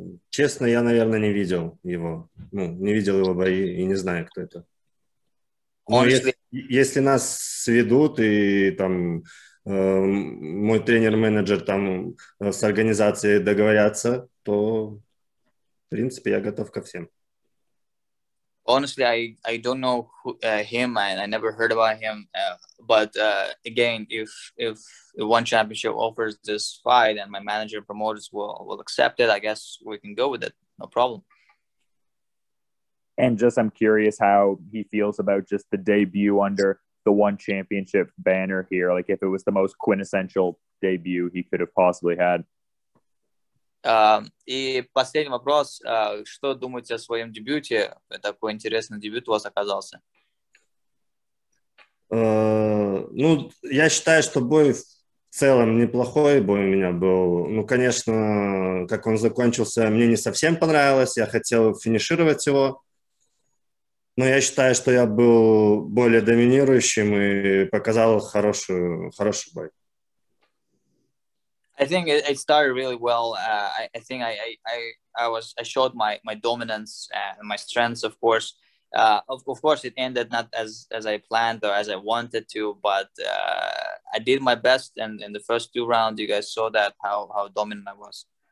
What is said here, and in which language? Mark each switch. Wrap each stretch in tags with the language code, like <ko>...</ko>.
<ru>Честно, я, наверное, не видел его. Ну, не видел его бои и не знаю, кто это. Но если нас сведут и там мой тренер-менеджер там с организацией договорятся, то в принципе я готов ко всем.</ru> <en>Honestly, I don't know him and I never heard about him. But again, if one championship offers this fight and my manager promoters will accept it, I guess we can go with it. No problem. And just, I'm curious how he feels about just the debut under the one championship banner here. Like, if it was the most quintessential debut he could have possibly had.</en> <ru>И последний вопрос. Что думаете о своем дебюте? Такой интересный дебют у вас оказался. Ну, я считаю, что бой в целом неплохой бой у меня был. Ну, конечно, как он закончился, мне не совсем понравилось. Я хотел финишировать его. Но я считаю, что я был более доминирующим и показал хороший бой.</ru> <en>I think it started really well. I showed my dominance and my strengths, of course. Of course, it ended not as I planned or as I wanted to, but I did my best, and in the first two rounds, you guys saw that how dominant I was.</en>